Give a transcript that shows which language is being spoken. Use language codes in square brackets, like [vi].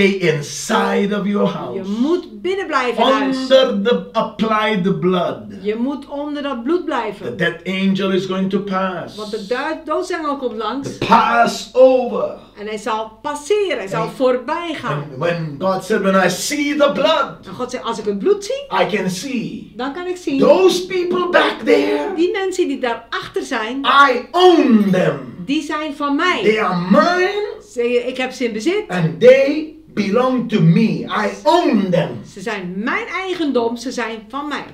[en] Stay inside of your house. [nl] Je moet binnen blijven. [en] Under the applied blood. [nl] Je moet onder dat bloed blijven. [en] The dead angel is going to pass. [nl] Want de doodsengel komt langs. [en] The pass over. [nl] En hij zal passeren, hij zal voorbij gaan. [en] When God said, when I see the blood, [nl] en God zei, als ik het bloed zie, [en] I can see. [nl] Dan kan ik zien. [en] Those people back there, [nl] die mensen die daar achter zijn, [en] I own them. [nl] Die zijn van mij. [en] They are mine. [nl] Ik heb ze in bezit. [en] And they belong to me. I own them. [nl] Ze zijn mijn eigendom. Ze zijn van mij.